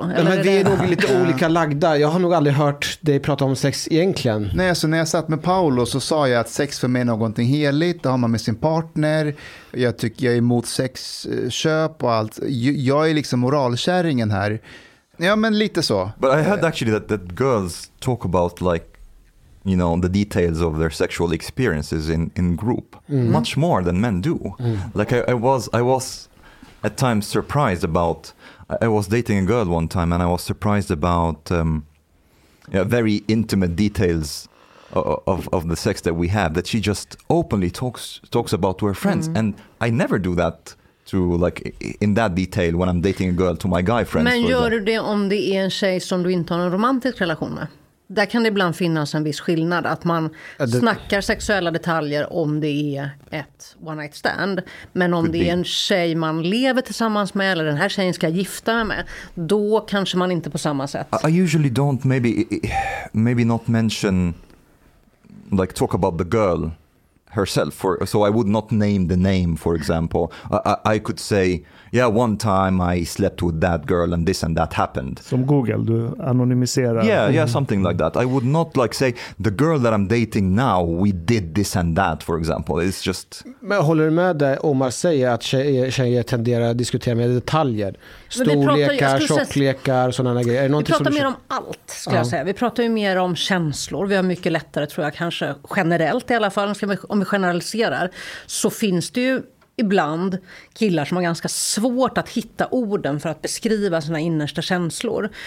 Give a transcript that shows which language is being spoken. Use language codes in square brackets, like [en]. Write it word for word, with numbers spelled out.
[sv] Eller men är vi det? Är nog lite olika lagda. Jag har nog aldrig hört dig prata om sex egentligen. Nej, alltså när jag satt med Paolo så sa jag att sex för mig är någonting heligt. Det har man med sin partner. Jag tycker jag är emot sexköp och allt. Jag är liksom moralkärringen här. Ja, men lite så. [en] But I heard actually that, that girls talk about like, you know, the details of their sexual experiences in, in group mm. much more than men do. Mm. Like I, I was I was at times surprised about, I was dating a girl one time and I was surprised about um, you know, very intimate details of, of, of the sex that we have that she just openly talks talks about to her friends mm. and I never do that. To like in that detail when I'm dating a girl to my guy friends. [sv] Men gör du det om det är en tjej som du inte har en romantisk relation med? Där kan det ibland finnas en viss skillnad att man det... snackar sexuella detaljer om det är ett one night stand. Men om [en] Could [sv] det är en tjej man lever tillsammans med eller den här tjejen ska gifta mig med, då kanske man inte på samma sätt. [en] I usually don't maybe maybe not mention like talk about the girl herself, for, so I would not name the name, for example. I, I could say, yeah, one time I slept with that girl and this and that happened. [sv] Som Google, du anonymiserar. [en] Yeah, yeah, something like that. I would not like say, the girl that I'm dating now, we did this and that, for example. It's just... [sv] Men håller du med dig, Omar säger att tjejer, tjejer tenderar att diskutera med detaljer? Storlekar, tjocklekar, sådana grejer. Vi pratar som mer om allt, skulle ja. jag säga. Vi pratar ju mer om känslor. Vi har mycket lättare, tror jag, kanske generellt i alla fall, om vi generaliserar, så finns det ju ibland killar som har ganska svårt att hitta orden för att beskriva sina innersta känslor.